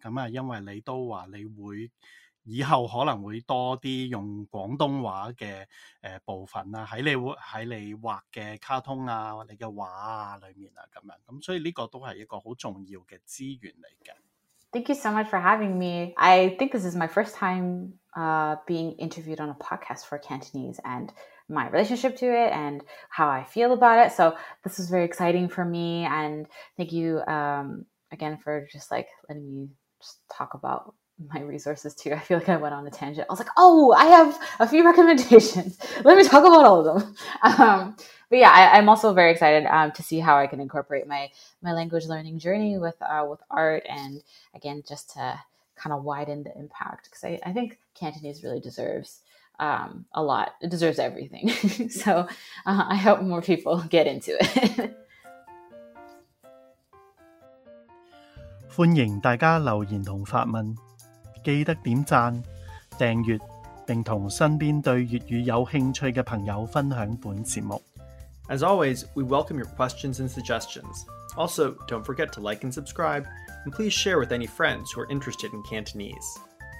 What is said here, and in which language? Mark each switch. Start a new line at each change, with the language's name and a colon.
Cantonese: 咁啊，因為你都話你會以後可能會多啲用廣東話嘅部分啦，喺你畫嘅卡通啊、你嘅畫啊裡面啊咁樣。咁所以呢個都係一個好重要嘅資源嚟嘅。
English: Thank you so much for having me. I think this is my first time being interviewed on a podcast for Cantonese and my relationship to it and how I feel about it. So this is very exciting for me. And thank you again for just like letting me just talk about my resources too. I feel like I went on a tangent. I was like, oh, I have a few recommendations. Let me talk about all of them. But yeah, I'm also very excited to see how I can incorporate my language learning journey with art, and again, just to kind of widen the impact, because I think Cantonese really deserves a lot. It deserves everything. So I hope more people get into it.
Cantonese: 欢迎大家留言同发问，记得点赞、订阅，并同身边对粤语有兴趣嘅朋友分享本节目。
English: As always, we welcome your questions and suggestions. Also, don't forget to like and subscribe, and please share with any friends who are interested in Cantonese.